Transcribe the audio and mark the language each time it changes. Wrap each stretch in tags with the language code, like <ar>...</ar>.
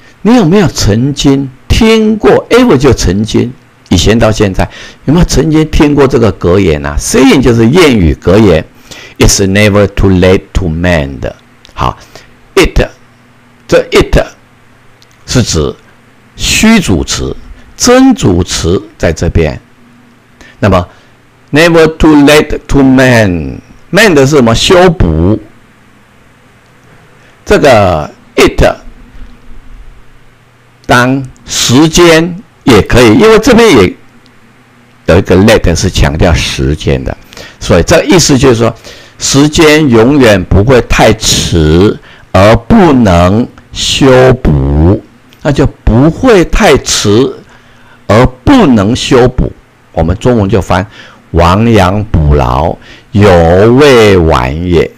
<zh>你有没有曾经听过 ？Ever 就曾经，以前到现在，有没有曾经听过这个格言啊 ？Saying 就是谚语格言 ，</zh> <en>It's never too late to mend。</en> <zh>好 ，it 这 it 是指虚主词。真主词在这边，那么</zh> <en>never too late to mend，</en> <zh>mend 是什么？修补。这个 it 当时间也可以，因为这边也有一个 late 是强调时间的，所以这个意思就是说，时间永远不会太迟而不能修补，那就不会太迟而不能修补，我们中文就翻亡羊补牢，犹未晚也。</zh>